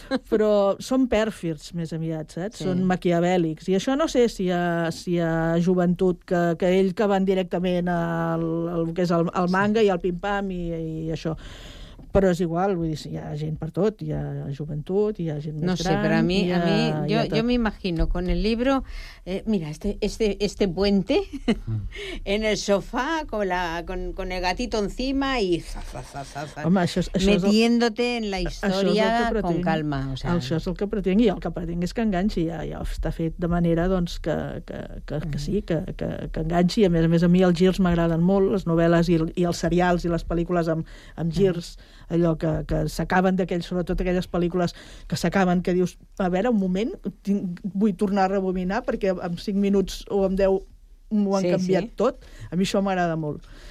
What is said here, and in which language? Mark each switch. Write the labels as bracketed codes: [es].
[ca] Però són pèrfids, més aviat, saps? Sí. Són maquiavèlics. I això no sé si hi ha, si hi ha joventut que ell que van directament al que és el manga, sí, i al pim-pam i això. Però és igual, vull dir, hi ha gent per tot, hi ha joventut, hi ha gent més no gran... [es] No sé, [ca] però a mi, jo m'imagino [es] con el libro, mira, este puente en el sofà con el gatito encima y... [ca] Home, això [es] metiéndote en la història con calma. O sea, [ca] això és el que pretenc, i el que pretenc és que enganxi, ja està fet de manera doncs que sí, que enganxi. I a més a mi els girs m'agraden molt, les novel·les i els serials i les pel·lícules amb girs... allò que s'acaben d'aquells, sobretot aquelles pel·lícules que s'acaben, que dius, a veure, un moment, vull tornar a rebobinar perquè en 5 minuts o en 10 m'ho han canviat tot. A mi això m'agrada molt.